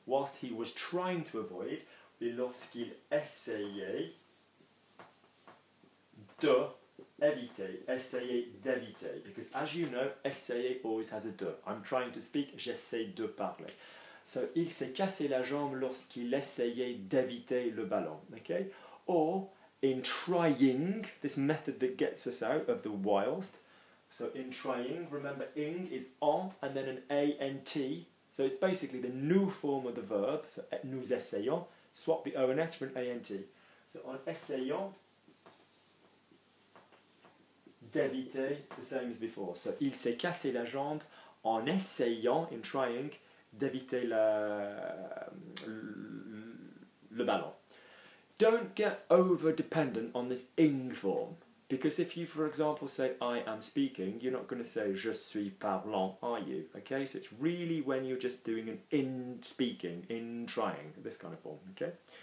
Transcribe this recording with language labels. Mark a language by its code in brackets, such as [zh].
[en] Whilst he was trying to avoid, [fr] lorsqu'il essayait de éviter. Essayait d'éviter. [en] Because, as you know, essayer always has a de. I'm trying to speak, [fr] j'essaie de parler. So, il s'est cassé la jambe lorsqu'il essayait d'éviter le ballon. [en] Okay? Or... In trying, this method that gets us out of the whilst. So in trying, remember ing is en and then an A-N-T. So it's basically the new form of the verb. So [fr] nous essayons, [en] swap the O-N-S for an A-N-T. So [fr] en essayant d'éviter, [en] the same as before. [fr] So il s'est cassé la jambe en essayant, [en] in trying, [fr] d'éviter le ballon. [en] Don't get over-dependent on this ing form. Because if you, for example, say, I am speaking, you're not going to say, [fr] je suis parlant, [en] are you? Okay, so it's really when you're just doing an in speaking, in trying, this kind of form, okay?